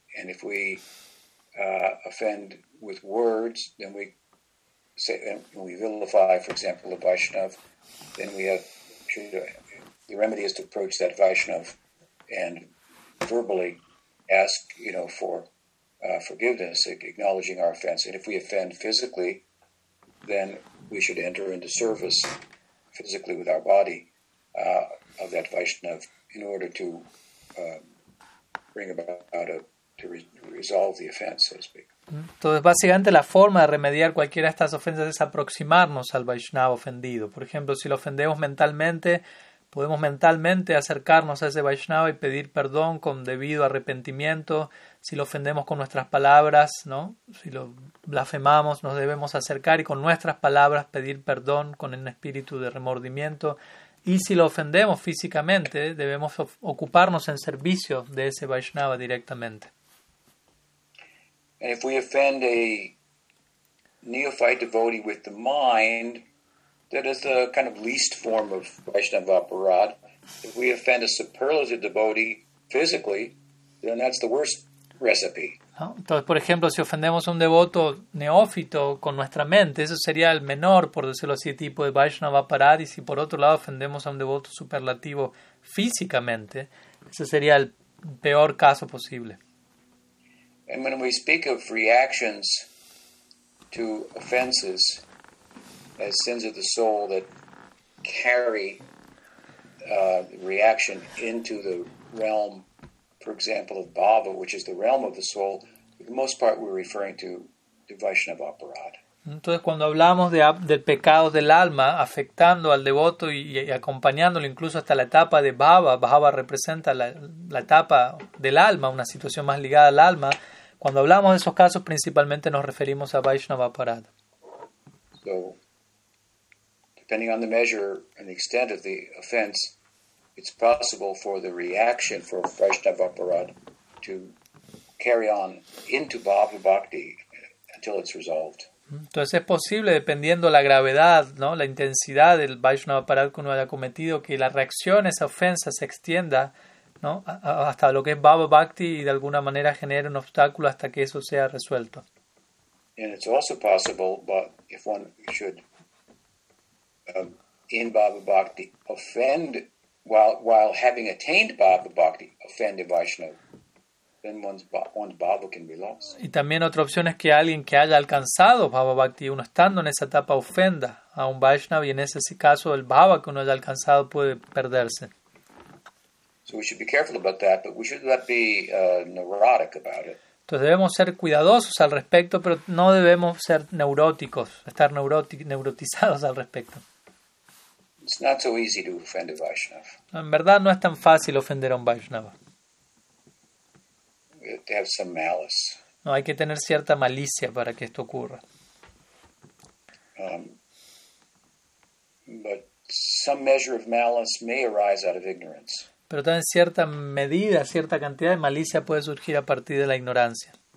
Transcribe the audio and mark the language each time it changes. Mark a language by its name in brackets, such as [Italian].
[English] And if we offend with words, then we say, and we vilify, for example, the Vaishnava, then the remedy is to approach that Vaishnava and verbally ask, you know, for forgiveness, acknowledging our offense. And if we offend physically, then we should enter into service physically with our body of that Vaishnava in order to bring about to resolve the offense, so to speak. [Spanish] Entonces, básicamente, la forma de remediar cualquiera de estas ofensas es aproximarnos al Vaishnava ofendido. Por ejemplo, si lo ofendemos mentalmente, Podemos mentalmente acercarnos a ese Vaishnava y pedir perdón con debido arrepentimiento. Si lo ofendemos con nuestras palabras, ¿no? Si lo blasfemamos, nos debemos acercar y con nuestras palabras pedir perdón con un espíritu de remordimiento. Y si lo ofendemos físicamente, debemos ocuparnos en servicio de ese Vaishnava directamente. [English] And if we offend a neophyte devotee with the mind, that is the kind of least form of Vaishnava aparad. If we offend a superlative devotee physically, then that's the worst recipe. [Spanish] Entonces, por ejemplo, si ofendemos a un devoto neófito con nuestra mente, eso sería el menor, por decirlo así, tipo de Vaishnava aparad. Y si por otro lado ofendemos a un devoto superlativo físicamente, ese sería el peor caso posible. [English] And when we speak of reactions to offenses as sins of the soul that carry reaction into the realm, for example, of bhava, which is the realm of the soul, for the most part we're referring to the Vaishnava aparad. [Spanish] Entonces, cuando hablamos del pecado del alma afectando al devoto y acompañándolo incluso hasta la etapa de bhava, bhava representa la etapa del alma, una situación más ligada al alma. Cuando hablamos de esos casos, principalmente nos referimos a Vaishnava aparad. [English] So, depending on the measure and the extent of the offense, it's possible for the reaction for Vaishnava aparad to carry on into bhava bhakti until it's resolved. [Spanish] Entonces es posible, dependiendo la gravedad, ¿no?, la intensidad del Vaishnava aparad que uno haya cometido, que la reacción a esa ofensa se extienda, ¿no?, hasta lo que es bhava bhakti y de alguna manera genera un obstáculo hasta que eso sea resuelto. [English] And it's also possible, but if one should in bhava bhakti offend while having attained bhava bhakti offend a Vaishnava, then one's bhava can be lost. [Spanish] Y también otra opción es que alguien que haya alcanzado bhava bhakti, uno estando en esa etapa, ofenda a un Vaishnava, y en ese caso el bhava que uno haya alcanzado puede perderse. [English] So we should be careful about that, but we should not be neurotic about it. [Spanish] Entonces debemos ser cuidadosos al respecto, pero no debemos ser neuróticos, estar neurotizados al respecto. [English] It's not so easy to offend a Vaishnava. [Spanish] En verdad no es tan fácil ofender a un Vaishnava. [English] You have to have some malice. [Spanish] No, hay que tener cierta malicia para que esto ocurra. [English] But some measure of malice may arise out of ignorance. [Spanish] Pero también cierta medida, cierta cantidad de malicia puede surgir a partir de la ignorancia.